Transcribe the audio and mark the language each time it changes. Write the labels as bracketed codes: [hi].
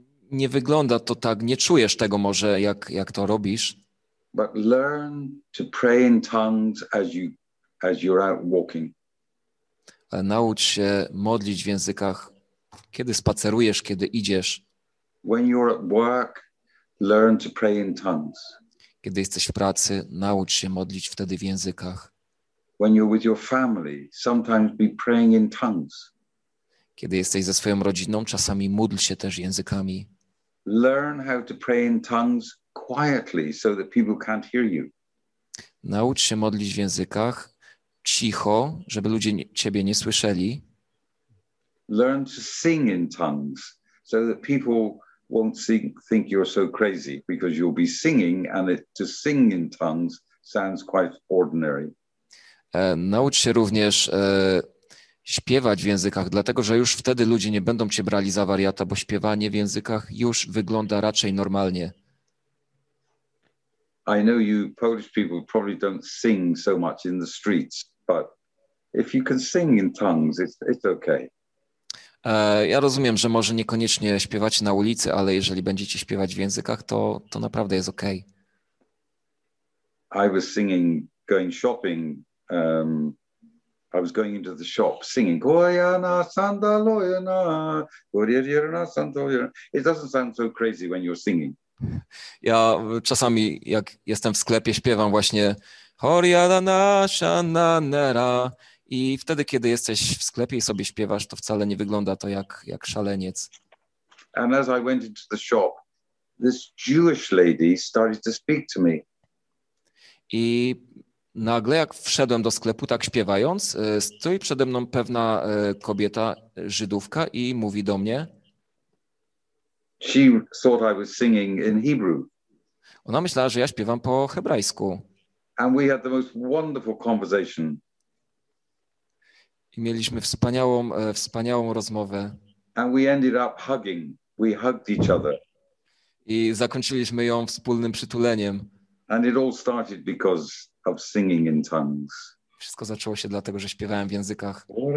[pl] Nie wygląda to tak, nie czujesz tego może, jak to robisz. [en] But learn to pray in tongues as you're out walking. [pl] Naucz się modlić w językach, kiedy spacerujesz, kiedy idziesz. [en] When you're at work, learn to pray in tongues. [pl] Kiedy jesteś w pracy, naucz się modlić wtedy w językach. [en] When you're with your family, sometimes be praying in tongues. [pl] Kiedy jesteś ze swoją rodziną, czasami módl się też językami. [en] Learn how to pray in tongues quietly so that people can't hear you. [pl] Naucz się modlić w językach cicho, żeby ludzie ciebie nie słyszeli. [en] Learn to sing in tongues so that people won't think you're so crazy, because you'll be singing and to sing in tongues sounds quite ordinary. [pl] Naucz się również śpiewać w językach, dlatego że już wtedy ludzie nie będą cię brali za wariata, bo śpiewanie w językach już wygląda raczej normalnie. [en] I know you Polish people probably don't sing so much in the streets, but if you can sing in tongues, it's okay. [pl] Ja rozumiem, że może niekoniecznie śpiewacie na ulicy, ale jeżeli będziecie śpiewać w językach, to naprawdę jest okej. [en] Okay. I was singing going shopping. I was going into the shop singing Goyana Sandaloyana Goyana Sandaloyana. It doesn't sound so crazy when you're singing. [pl] Ja czasami, jak jestem w sklepie, śpiewam właśnie Horiana Shananera. I wtedy, kiedy jesteś w sklepie i sobie śpiewasz, to wcale nie wygląda to jak szaleniec. [en] And as I went into the shop, this Jewish lady started to speak to me. [pl] I nagle, jak wszedłem do sklepu, tak śpiewając, stoi przede mną pewna kobieta, Żydówka, i mówi do mnie. [en] She thought I was singing in Hebrew. [pl] Ona myślała, że ja śpiewam po hebrajsku. [en] And we had the most wonderful conversation. [pl] I mieliśmy wspaniałą rozmowę. [en] And we ended up hugging. We hugged each other. [pl] I zakończyliśmy ją wspólnym przytuleniem. [en] And it all started because of singing in tongues. [pl] Wszystko zaczęło się dlatego, że śpiewałem w językach.